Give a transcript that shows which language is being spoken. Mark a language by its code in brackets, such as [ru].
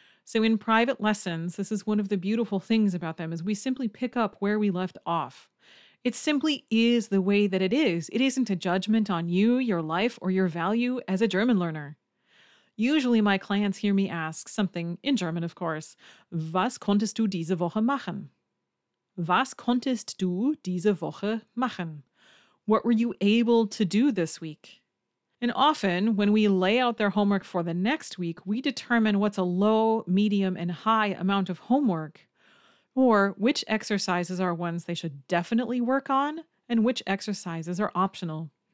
[en] So in private lessons, this is one of the beautiful things about them, is we simply pick up where we left off. It simply is the way that it is. It isn't a judgment on you, your life, or your value as a German learner. Usually my clients hear me ask something in German, of course. [de] Was konntest du diese Woche machen? Was konntest du diese Woche machen? [en] What were you able to do this week? And often, when we lay out their homework for the next week, we determine what's a low, medium, and high amount of homework, or which exercises are ones they should definitely work on, and which exercises are optional.